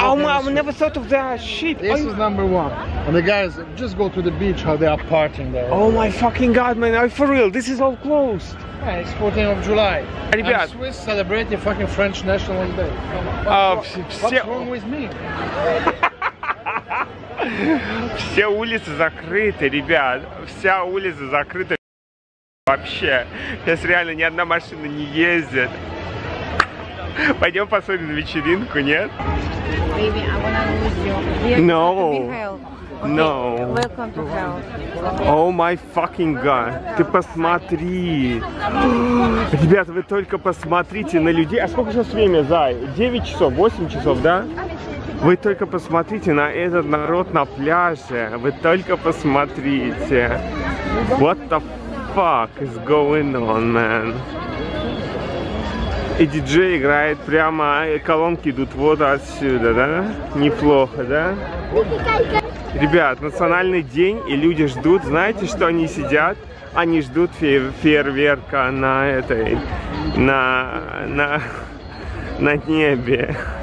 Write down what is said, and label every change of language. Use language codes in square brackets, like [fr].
[en] I've never thought of that shit. This is number one. And the guys just go to the beach, how they are partying there. Oh my fucking god, man! Are you for real? This is all closed. Yeah, it's 14th of July. And I'm Swiss celebrating fucking French National Day. What's wrong with me? [ru] Все улицы закрыты, ребят. Вся улица закрыта вообще. Сейчас реально ни одна машина не ездит. Пойдем посмотрим на вечеринку, нет? [en] Baby, I wanna lose you. No. No. Welcome to hell. Oh my fucking god. [ru] Ты посмотри. Ребят, вы только посмотрите на людей. А сколько сейчас время, зай? 9 часов, 8 часов, да? Вы только посмотрите на этот народ на пляже. Вы только посмотрите. [en] What the fuck is going on, man? [ru] И диджей играет прямо, колонки идут вот отсюда, да? Неплохо, да? Ребят, национальный день, и люди ждут. Знаете, что они сидят? Они ждут фейерверка на этой... На небе.